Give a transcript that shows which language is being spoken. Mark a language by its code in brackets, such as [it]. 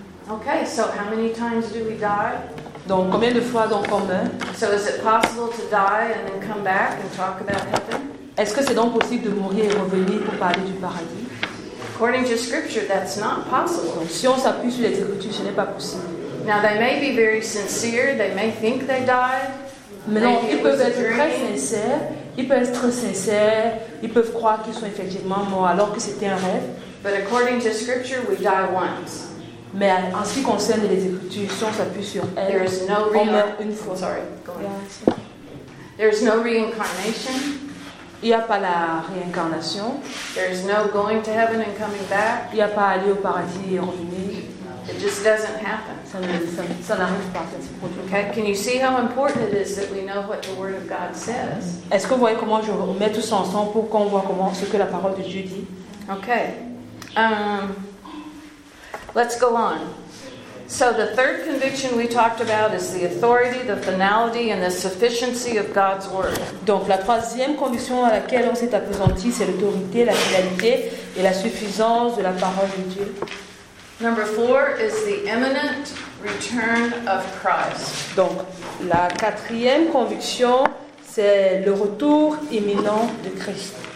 [en] Okay, so how many times do we die? [fr] Donc combien de fois donc on meurt? [en] So is it possible to die and then come back and talk about heaven? [fr] Est-ce que c'est donc possible de mourir et revenir pour parler du paradis? [en] According to scripture, that's not possible. [fr] Donc, si on s'appuie sur les Écritures, ce n'est pas possible. [en] Now they may be very sincere. They may think they died. [fr] Mais non, ils peuvent être très sincères. Ils peuvent être sincères. Ils peuvent croire qu'ils sont effectivement morts alors que c'était un rêve. [en] But according to scripture, we die once. [fr] Mais en ce qui concerne les Écritures, si on s'appuie sur elles, on meurt une fois. [en] Sorry. Go ahead. There is no reincarnation. [fr] Il n'y a pas la réincarnation. [en] There is no going to heaven and coming back. [fr] Il n'y a pas aller au paradis et revenir. [en] It just doesn't happen. [fr] Ça n'arrive pas. Ça se produit. [en] Okay. Can you see how important it is that we know what the Word of God says? [fr] Est-ce que vous voyez comment je remets tout ça ensemble pour qu'on voit comment ce que la parole de Dieu dit? [en] Okay. Let's go on. So the third conviction we talked about is the authority, the finality, and the sufficiency of God's word. [fr] Donc la troisième conviction à laquelle on s'est appesanti, c'est l'autorité, la finalité et la suffisance de la parole de Dieu. [en] Number four is the imminent return of Christ. [fr] Donc la quatrième conviction, c'est le retour imminent de Christ.